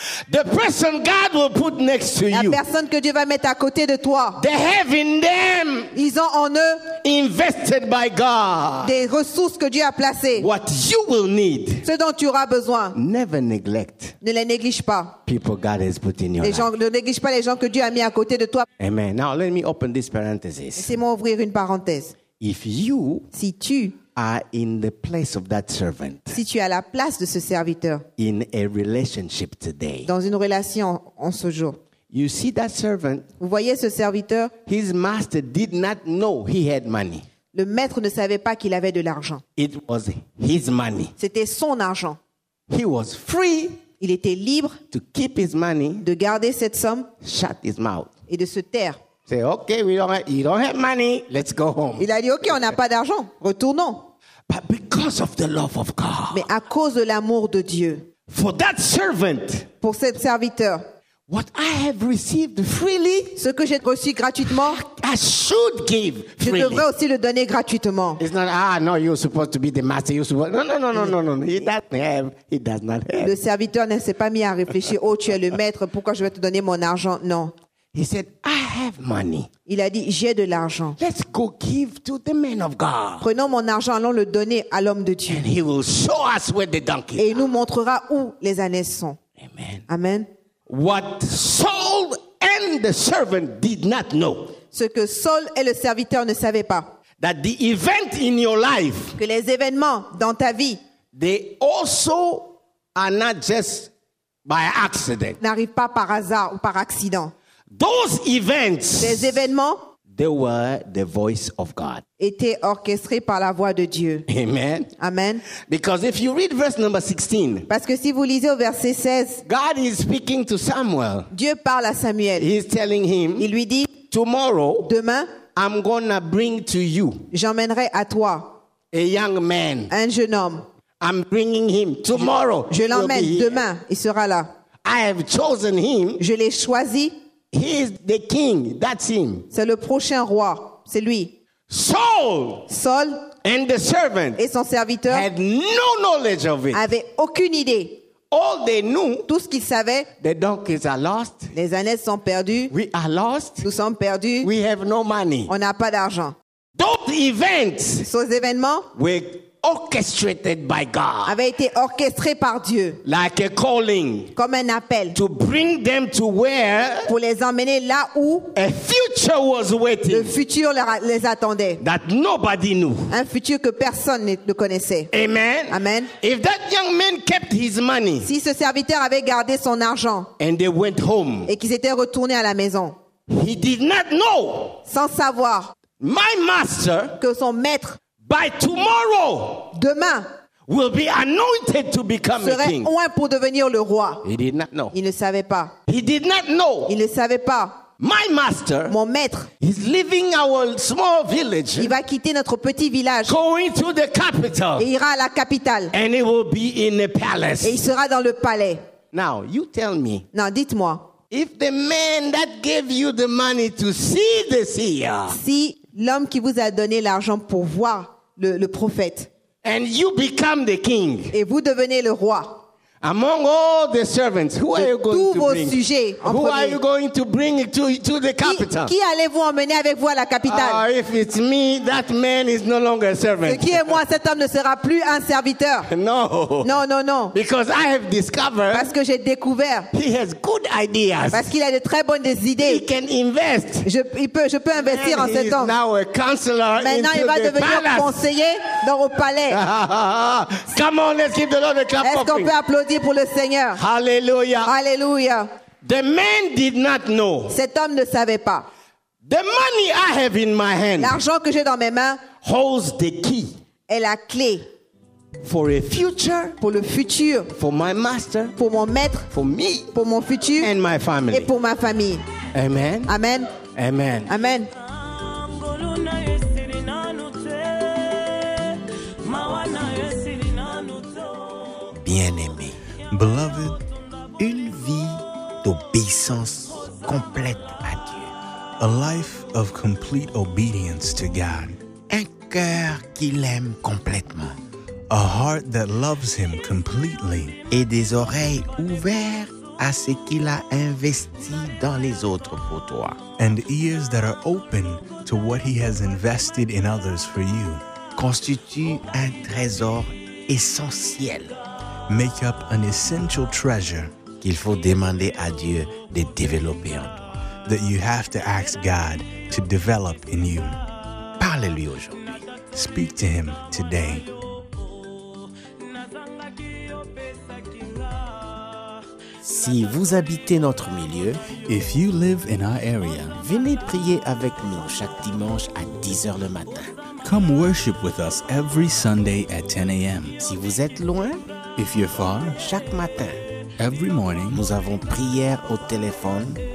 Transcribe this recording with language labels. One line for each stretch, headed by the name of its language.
English: The person God will put next to
French: la
English: you,
French: la personne que Dieu va mettre à côté de toi,
English: they have in them,
French: ils ont en eux,
English: invested by God,
French: des ressources que Dieu a placées,
English: what you will need,
French: ce dont tu auras besoin,
English: never neglect,
French: ne les néglige pas,
English: people God has put in your
French: les gens,
English: life,
French: ne néglige pas les gens que Dieu a mis à côté de toi.
English: Amen. Now let me open this parenthesis.
French: Laissez-moi ouvrir une parenthèse.
English: If you,
French: si tu
English: are in the place of that servant.
French: Si tu es à la place de ce serviteur.
English: In a relationship today.
French: Dans une relation en ce jour.
English: You see that servant.
French: Vous voyez ce serviteur.
English: His master did not know he had money.
French: Le maître ne savait pas qu'il avait de l'argent.
English: It was his money.
French: C'était son argent.
English: He was free.
French: Il était libre.
English: To keep his money.
French: De garder cette somme.
English: Shut his mouth.
French: Et de se taire.
English: Say okay, you don't have money. Let's go home.
French: Il a dit okay, on n'a pas d'argent. Retournons.
English: But because of the love of God.
French: Mais à cause de l'amour de Dieu.
English: For that servant.
French: Pour cette serviteur.
English: What I have received freely.
French: Ce que j'ai reçu gratuitement.
English: I should give freely.
French: Je devrais aussi le donner gratuitement.
English: It's not no, you're supposed to be the master. You're supposed no. He does not have.
French: Le serviteur ne s'est pas mis à réfléchir. Oh, tu es le maître. Pourquoi je vais te donner mon argent? Non.
English: He said, "I have money."
French: Il a dit, j'ai de l'argent.
English: Let's go give to the man of God.
French: Prenons mon argent, allons le donner à l'homme de Dieu.
English: And he will show us where the donkeys
French: are. Et il nous montrera où les ânes sont.
English: Amen.
French: Amen.
English: What Saul and the servant did not know.
French: Ce que Saul et le serviteur ne savaient pas.
English: That the event in your life.
French: Que les événements dans ta vie.
English: They also are not just by accident.
French: N'arrivent pas par hasard ou par accident.
English: Those events,
French: ces événements,
English: they were the voice of God.
French: Étaient orchestrés par la voix de Dieu.
English: Amen.
French: Amen.
English: Because if you read verse number 16,
French: parce que si vous lisez au verset 16,
English: God is speaking to Samuel.
French: Dieu parle à Samuel.
English: He's telling him,
French: il lui dit,
English: tomorrow,
French: demain,
English: I'm gonna bring to you,
French: j'emmènerai à toi,
English: a young man,
French: un jeune homme.
English: I'm bringing him tomorrow.
French: Je l'emmène demain. Il sera là.
English: I have chosen him.
French: Je l'ai choisi.
English: He is the king. That's him.
French: C'est le prochain roi. C'est lui.
English: Saul and the servant
French: et son serviteur
English: had no knowledge of it.
French: Avaient aucune idée.
English: All they knew,
French: tout ce qu'ils savaient,
English: the donkeys are lost.
French: Les ânes sont perdus.
English: We are lost.
French: Nous sommes perdus.
English: We have no money.
French: On n'a pas d'argent.
English: Those events,
French: ces événements,
English: were orchestrated by God.
French: Avait été orchestré par Dieu.
English: Like a calling.
French: Comme un appel.
English: To bring them to where.
French: Pour les emmener là où.
English: A future was waiting.
French: Le futur les attendait.
English: That nobody knew.
French: Un futur que personne ne connaissait.
English: Amen.
French: Amen.
English: If that young man kept his money.
French: Si ce serviteur avait gardé son argent.
English: And they went home.
French: Et qu'ils étaient retournés à la maison.
English: He did not know.
French: Sans savoir.
English: My master.
French: Que son maître.
English: By tomorrow,
French: demain,
English: will be anointed to become a king.
French: Serait pour devenir le roi.
English: He did not know.
French: Il ne savait pas.
English: He did not know.
French: Il ne savait pas.
English: My master,
French: mon maître,
English: is leaving our small village.
French: Il va quitter notre petit village.
English: Going to the capital.
French: Et ira à la capitale.
English: And he will be in a palace.
French: Et il sera dans le palais.
English: Now you tell me.
French: Non, dites-moi.
English: If the man that gave you the money to see the seer.
French: Si L'homme qui vous a donné l'argent pour voir le prophète.
English: And you become the king.
French: Et vous devenez le roi.
English: Among all the servants, who are you going to bring?
French: Tous vos sujets.
English: Who are you going to bring to the capital?
French: Qui allez-vous emmener avec vous à la capitale?
English: If it's me, that man is no longer a servant.
French: Qui est moi? Cet homme ne sera plus un serviteur.
English: No.
French: Non.
English: Because I have discovered.
French: Parce que j'ai découvert.
English: He has good ideas.
French: Parce qu'il a de très bonnes idées.
English: He can invest.
French: Je peux investir en cet homme.
English: Now a counselor into the palace.
French: Maintenant, il va devenir conseiller dans le palais.
English: Come on, let's give the Lord a clap.
French: Est-ce qu'on peut applaudir? Pour le Seigneur.
English: Hallelujah.
French: Hallelujah.
English: The man did not know.
French: Cet homme ne savait pas.
English: The money I have in my hand.
French: L'argent que j'ai dans mes mains.
English: Holds the key.
French: Est la clé.
English: For a future.
French: Pour le futur.
English: For my master.
French: Pour mon maître.
English: For me.
French: Pour mon futur.
English: And my family.
French: Et pour ma famille.
English: Amen.
French: Amen.
English: Amen.
French: Amen. Bien-aimé, beloved, une vie d'obéissance complète à Dieu.
English: A life of complete obedience to God.
French: Un cœur qui l'aime complètement.
English: A heart that loves him completely.
French: Et des oreilles ouvertes à ce qu'il a investi dans les autres pour toi.
English: And ears that are open to what he has invested in others for you.
French: Constitue un trésor essentiel.
English: Make up an essential treasure
French: qu'il faut demander à Dieu de développer en toi.
English: That you have to ask God to develop in you.
French: Parle-lui aujourd'hui.
English: Speak to him today.
French: Si vous habitez notre milieu,
English: if you live in our area,
French: venez prier avec nous chaque dimanche à 10h le matin.
English: Come worship with us every Sunday at 10 a.m.
French: Si vous êtes loin,
English: if you're far,
French: chaque matin,
English: every morning,
French: nous avons prière au téléphone,